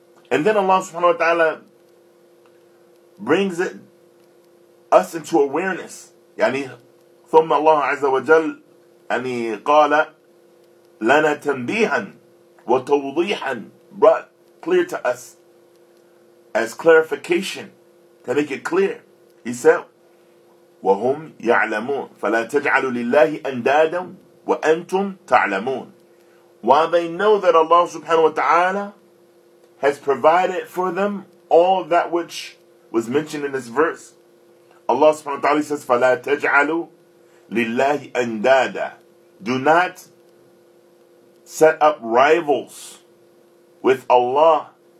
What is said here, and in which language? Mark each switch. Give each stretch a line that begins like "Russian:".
English: And then Allah subhanahu wa ta'ala brings us into awareness.
Arabic: يعني ثم الله عز وجل يعني قال لنا تنبيها وتوضيحا,
English: brought clear to us as clarification, to make it clear. He said
Arabic: وهم يعلمون فلا تجعلوا لله أندادا وأنتم تعلمون.
English: While they know that Allah subhanahu wa ta'ala has provided for them all that which was mentioned in this verse, Allah subhanahu wa ta'ala says,
Arabic: فَلَا تَجْعَلُوا لِلَّهِ أَنْدَادًا.
English: Do not set up rivals with Allah.